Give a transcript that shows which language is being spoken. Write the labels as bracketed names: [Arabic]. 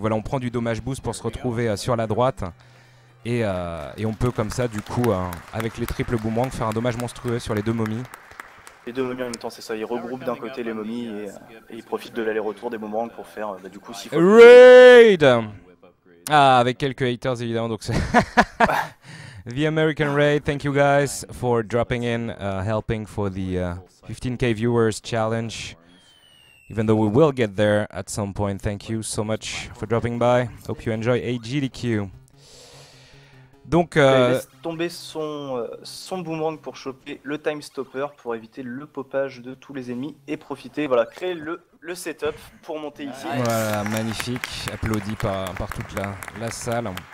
[French] Voilà, on prend du dommage boost pour se retrouver sur la droite. Et on peut comme ça, du coup, avec les triples boomerangs, faire un dommage monstrueux sur les deux momies. Les deux momies en même temps, c'est ça, ils regroupent d'un côté les momies et ils profitent de l'aller-retour des boomerangs pour faire du coup 6 fois plus de dégâts. Raid! Ah, avec quelques haters évidemment, donc c'est. [English] The American Raid, thank you guys for dropping in, helping for the 15K viewers challenge. Even though we will get there at some point, thank you so much for dropping by. Hope you enjoy AGDQ. Donc. [French] Là, il laisse tomber son boomerang pour choper le time stopper pour éviter le popage de tous les ennemis et profiter, voilà, créer le setup pour monter ici. Voilà, magnifique, applaudi par toute la salle.